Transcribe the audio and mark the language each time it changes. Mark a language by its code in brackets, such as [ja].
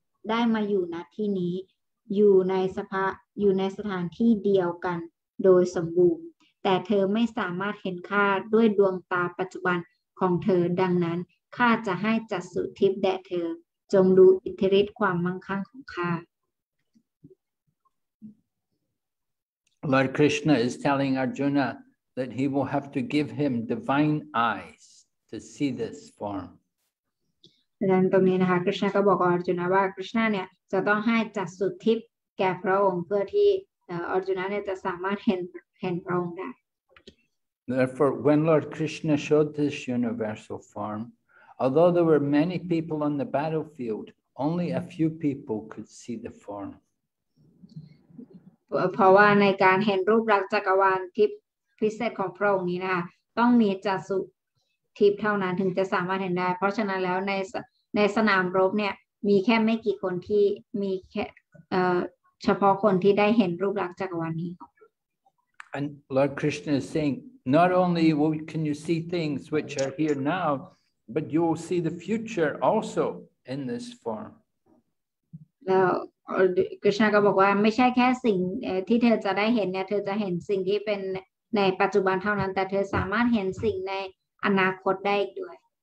[th] ได้มาอยู่ณที่นี้อยู่ในสถานที่เดียวกันโดยสมบูรณ์แต่เธอไม่สามารถเห็นข้าด้วยดวงตาปัจจุบันของเธอดังนั้นข้าจะให้จัตสุทิพย์แด่เธอจงดูอิทธิฤทธิ์ความมั่งคั่งของข้า [en] Lord Krishna is telling Arjuna that he will have to give him divine eyes to see this form [th] ดังตรงนี้นะคะ Krishna ก็บอกอาร์จุนาว่า Krishna เนี่ยจะต้องให้จัตสุทิพย์แก่พระองค์เพื่อที่อาร์จุนาเนี่ยจะสามารถเห็นพระองค์ได้ [en] Therefore, when Lord Krishna showed this universal form, although there were many people on the battlefield, Only a few people could see the form. [th] เพราะว่าในการเห็นรูปลักษณ์จักรวาลทิพย์พิเศษของพระองค์นี้นะคะต้องมีจักษุทิพย์เท่านั้นถึงจะสามารถเห็นได้เพราะฉะนั้นแล้วในสนามรบเนี่ยมีแค่ไม่กี่คนที่มีแค่เฉพาะคนที่ได้เห็นรูปลักษณ์จักรวาลนี้ [en] And Lord Krishna is saying not only will can you see things which are here now but you will see the future also in this form [th] แล้วกฤษณาก็บอกว่าไม่ใช่แค่สิ่งที่เธอจะได้เห็นเนี่ยเธอจะเห็นสิ่งที่เป็นในปัจจุบันเท่านั้นแต่เธอสามารถเห็นสิ่งในอนาคตได้อีกด้วย